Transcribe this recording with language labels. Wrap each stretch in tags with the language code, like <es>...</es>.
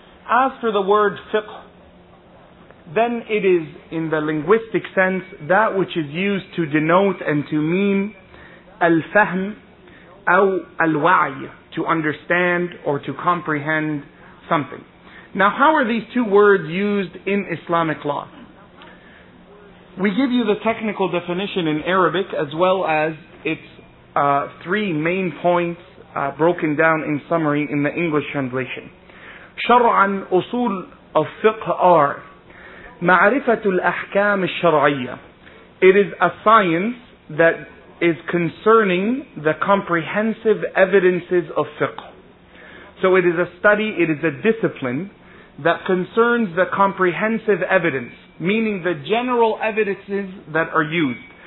<en>As for the word fiqh, then it is, in the linguistic sense, that which is used to denote and to mean al-fahm aw al-wa'y, to understand or to comprehend something. Now, how are these two words used in Islamic law? We give you the technical definition in Arabic as well as its three main points broken down in summary in the English translation.</en> <ar>شرعاً أصول الفقه are معرفة الأحكام الشرعية.</ar> <en>It is a science that is concerning the comprehensive evidences of fiqh. So it is a study, it is a discipline that concerns the comprehensive evidence, meaning the general evidences that are used.</en>